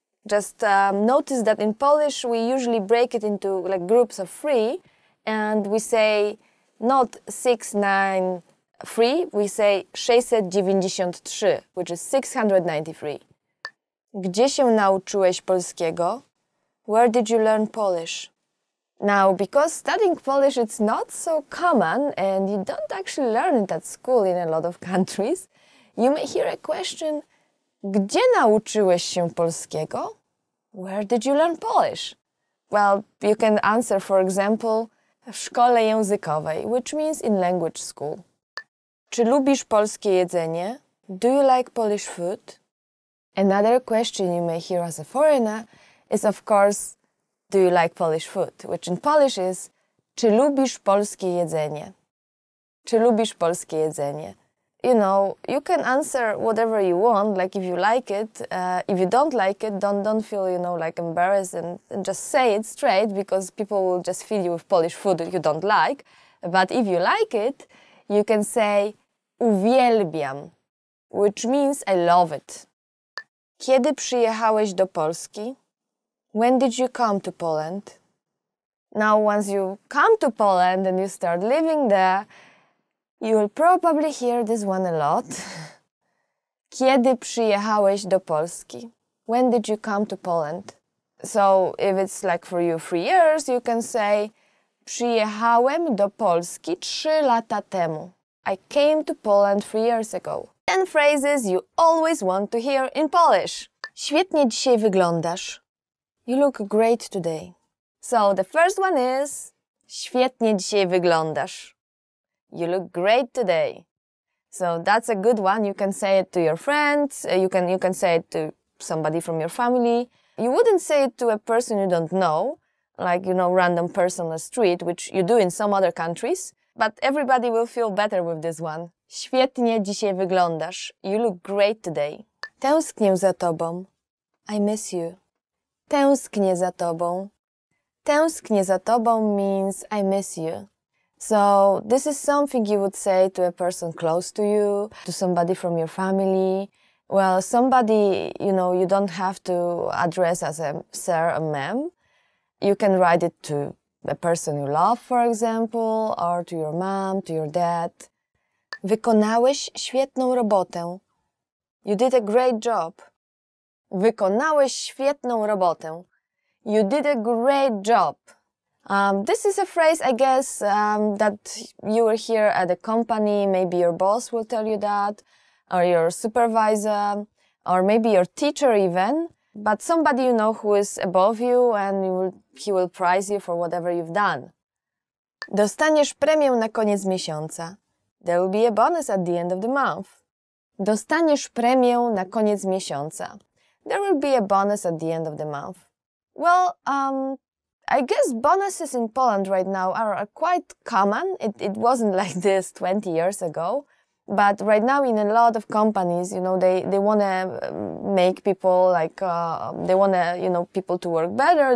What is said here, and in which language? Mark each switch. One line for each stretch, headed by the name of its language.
English: Just notice that in Polish we usually break it into like groups of three and we say not 693, we say 693, which is 693.
Polish: Gdzie się nauczyłeś polskiego?
English: Where did you learn Polish? Now, because studying Polish is not so common and you don't actually learn it at school in a lot of countries, you may hear a question,
Polish: gdzie nauczyłeś się polskiego?
English: Where did you learn Polish? Well, you can answer, for example,
Polish: w szkole językowej,
English: which means in language school.
Polish: Czy lubisz polskie jedzenie?
English: Do you like Polish food? Another question you may hear as a foreigner is, of course, Do you like Polish food? Which in Polish is
Polish: Czy lubisz polskie jedzenie? Czy lubisz polskie jedzenie?
English: You know, you can answer whatever you want, like if you like it. If you don't like it, don't feel, you know, like embarrassed and just say it straight, because people will just feed you with Polish food you don't like. But if you like it, you can say
Polish: uwielbiam,
English: which means I love it.
Polish: Kiedy przyjechałeś do Polski?
English: When did you come to Poland? Now, once you come to Poland and you start living there, you will probably hear this one a lot.
Polish: Kiedy przyjechałeś do Polski?
English: When did you come to Poland? So, if it's like for you 3 years, you can say
Polish: przyjechałem do Polski 3 lata temu.
English: I came to Poland 3 years ago. 10 phrases you always want to hear in Polish.
Polish: Świetnie dzisiaj wyglądasz.
English: You look great today. So the first one is
Polish: Świetnie dzisiaj wyglądasz.
English: You look great today. So that's a good one. You can say it to your friends. You can say it to somebody from your family. You wouldn't say it to a person you don't know, like, you know, random person on the street, which you do in some other countries. But everybody will feel better with this one.
Polish: Świetnie dzisiaj wyglądasz.
English: You look great today.
Polish: Tęsknię za tobą.
English: I miss you.
Polish: Tęsknię za tobą. Tęsknię za tobą
English: means I miss you. So this is something you would say to a person close to you, to somebody from your family. Well, somebody, you know, you don't have to address as a sir or ma'am. You can write it to a person you love, for example, or to your mom, to your dad.
Polish: Wykonałeś świetną robotę.
English: You did a great job.
Polish: Wykonałeś świetną robotę.
English: You did a great job. This is a phrase, I guess, that you will hear at a company. Maybe your boss will tell you that, or your supervisor, or maybe your teacher even. But somebody you know who is above you and he will prize you for whatever you've done.
Polish: Dostaniesz premię na koniec miesiąca.
English: There will be a bonus at the end of the month.
Polish: Dostaniesz premię na koniec miesiąca.
English: There will be a bonus at the end of the month. Well, I guess bonuses in Poland right now are quite common. It wasn't like this 20 years ago. But right now in a lot of companies, you know, they want to make people like, they want to, you know, people to work better.